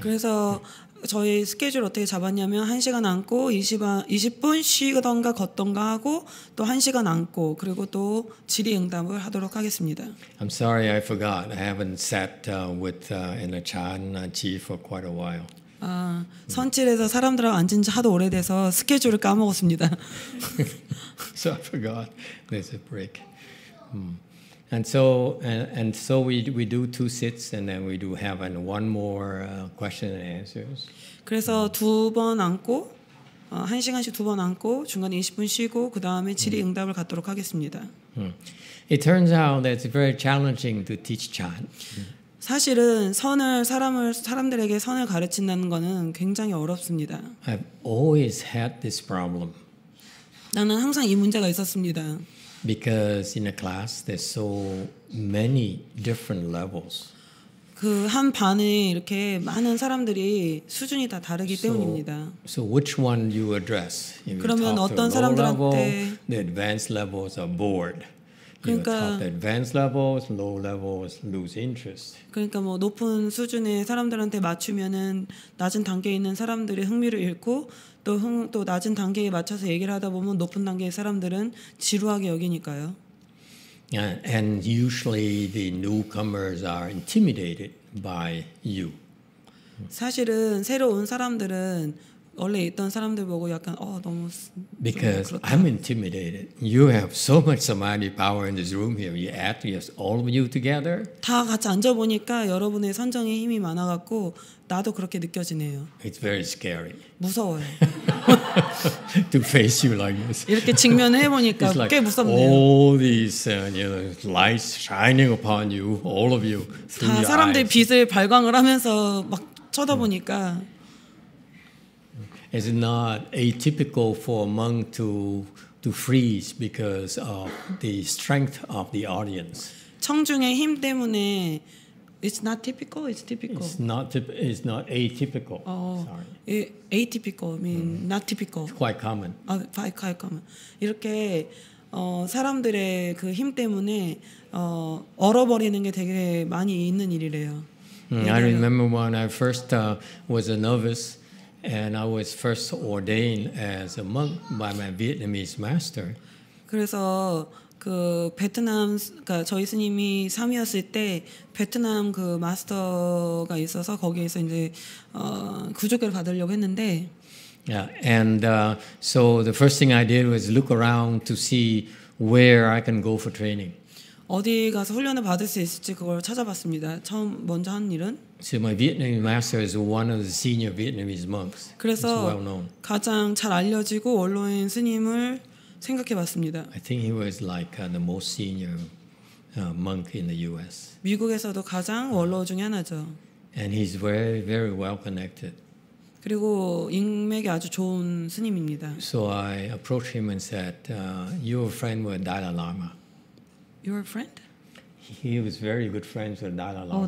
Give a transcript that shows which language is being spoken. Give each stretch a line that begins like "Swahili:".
Korean: 그래서 저희 스케줄 어떻게 잡았냐면 1시간 앉고 20분 쉬던가 걷던가 하고 또 1시간 앉고 그리고 또 질의응답을 하도록 하겠습니다.
English: I'm sorry I forgot. I haven't sat with in a chanji for quite a while.
Korean: 아, 선칠에서 사람들하고 앉은 지 하도 오래돼서 스케줄을 까먹었습니다.
English: So I forgot. There's a break. And so we do two sits and then we do have an one more question and answers.
Korean: 그래서 두 번 앉고 한 시간씩 두 번 앉고 중간에 20분 쉬고 그 다음에 질의응답을 갖도록 하겠습니다.
English: It turns out that it's very challenging to teach Chan.
Korean: 사실은 선을 사람들에게 선을 가르친다는 것은 굉장히 어렵습니다.
English: I've always had this problem.
Korean: 나는 항상 이 문제가 있었습니다.
English: Because in a class there's so many different levels.
Korean: 그 한 반에 이렇게 많은 사람들이 수준이 다 다르기 때문입니다.
English: So which one you address? You
Korean: 그러면 어떤 사람들한테
English: low level, the advanced levels are bored. 그러니까 the advanced levels, low levels lose interest.
Korean: 그러니까 뭐 높은 수준의 사람들한테 맞추면은 낮은 단계에 있는 사람들이 흥미를 잃고 또 낮은 단계에 맞춰서 얘기를 하다 보면 높은 단계의 사람들은 지루하게 여기니까요.
English: And usually the newcomers are intimidated by you.
Korean: 사실은 새로운 사람들은 원래 있던 사람들 보고 약간 너무
English: Because I'm intimidated. You have so much samadhi power in this room here. You add to us all of you together.
Korean: 다 같이 앉아 보니까 여러분의 선정의 힘이 많아 갖고 나도 그렇게 느껴지네요.
English: It's very scary.
Korean: 무서워요.
English: to face you like this.
Korean: 이렇게 직면해 보니까
English: like
Korean: 꽤 무섭네요.
English: All these you know, lights shining upon you, all of you.
Korean: 다 사람들 빛을 발광을 하면서 막 쳐다보니까.
English: Is it not atypical for a monk to freeze because of the strength of the audience?
Korean: 청중의 힘 때문에
English: it's not typical. It's typical. It's not atypical. Sorry. Atypical means not typical. It's quite common. Quite common.
Korean: 이렇게 사람들의 그 힘 때문에 얼어버리는 게 되게 많이 있는 일이래요.
English: I remember when I first was a novice. And I was first ordained as a monk by my Vietnamese master.
Korean: 그래서 그 베트남 그러니까 저희 스님이 3이었을 때 베트남 그 마스터가 있어서 거기에서 이제 구조교를 받으려고 했는데.
English: Yeah, and so the first thing I did was look around to see where I can go for training.
Korean: 어디 가서 훈련을 받을 수 있을지 그걸 찾아봤습니다. 처음 먼저 한 일은
English: So my Vietnamese master is one of the senior Vietnamese monks.
Korean: 그래서
English: well known.
Korean: 가장 잘 알려지고 원로인 스님을 생각해 봤습니다.
English: I think he was like the most senior monk in the US.
Korean: 미국에서도 가장 원로 중에 하나죠.
English: And he's very very well connected.
Korean: 그리고 인맥이 아주 좋은 스님입니다.
English: So I approached him and said, "Your friend was Dalai Lama." Your friend? He was very good friends with Dalai Lama.